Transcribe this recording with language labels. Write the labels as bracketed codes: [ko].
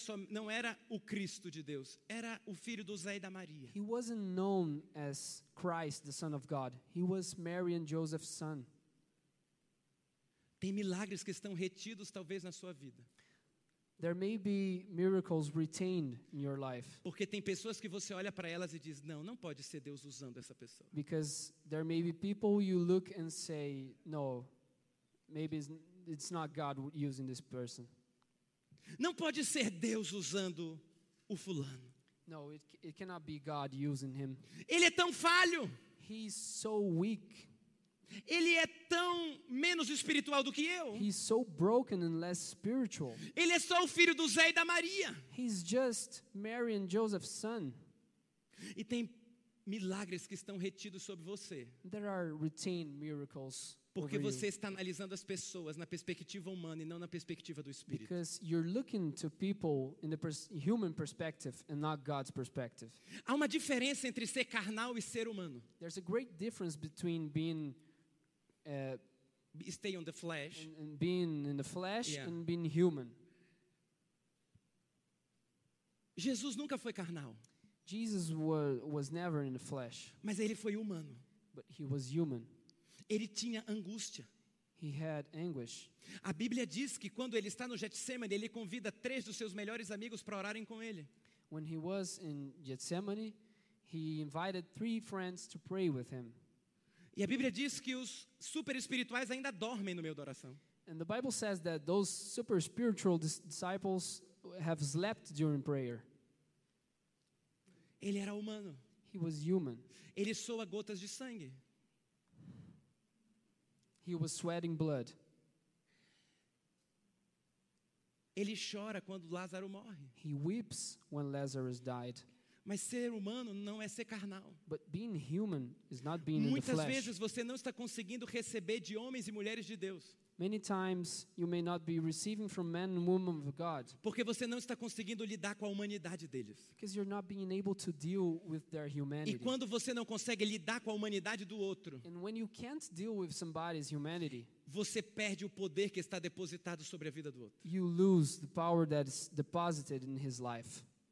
[pt] não era o Cristo de Deus, era o filho do Zé e da Maria. [en] He wasn't known as Christ, the Son of God. He was Mary and Joseph's son. [pt] Tem milagres que estão retidos talvez na sua vida. [en] There may be miracles retained in your life. [pt] Porque tem pessoas que você olha para elas e diz, não pode ser Deus usando essa pessoa. [en] Because there may be people you look and say, no, maybe it's not God using this person. [pt] Não pode ser Deus usando o fulano. [en] No, it cannot be God using him. [pt] Ele é tão falho. [en] He's so weak. [pt] Ele é tão menos espiritual do que eu. [en] He's so broken and less spiritual. [pt] Ele é só o filho do Zé e da Maria. [en] He's just Mary and Joseph's son. [pt] E tem milagres que estão retidos sobre você. [en] There are retained miracles. [pt] Porque você está analisando as pessoas na perspectiva humana e não na perspectiva do Espírito. [en] Because you're looking to people in the human perspective and not God's perspective. [pt] Há uma diferença entre ser carnal e ser humano. [en] There's a great difference between being stay on the flesh and being in the flesh, yeah, and being human. [pt] Jesus nunca foi carnal. [en] Jesus was never in the flesh. [pt] Mas ele foi humano. [en] But he was human. [pt] Ele tinha angústia. [en] He had anguish. [pt] A Bíblia diz que quando ele está no Getsemane, ele convida três dos seus melhores amigos para orarem com ele. [en] When he was in Getsemane, he invited three friends to pray with him. [pt] E a Bíblia diz que os super espirituais ainda dormem no meio da oração. [en] And the Bible says that those super spiritual disciples have slept during prayer. [pt] Ele era humano. [en] He was human. [pt] Ele soa gotas de sangue. [en] He was sweating blood. [pt] Ele chora quando Lázaro morre. [en] He weeps when Lazarus died. [pt] Mas ser humano não é ser carnal. [en] But being human is not being [pt] Muitas [en] in the flesh. [pt] Muitas vezes você não está conseguindo receber de homens e mulheres de Deus. [en] Many times you may not be receiving from men and women of God. [pt] Porque você não está conseguindo lidar com a humanidade deles. [en] Because you're not being able to deal with their humanity. [pt] E quando você não consegue lidar com a humanidade do outro, [en] and when you can't deal with somebody's humanity, [pt] você perde o poder que está depositado sobre a vida do outro. [en] You lose the power that is deposited in his life.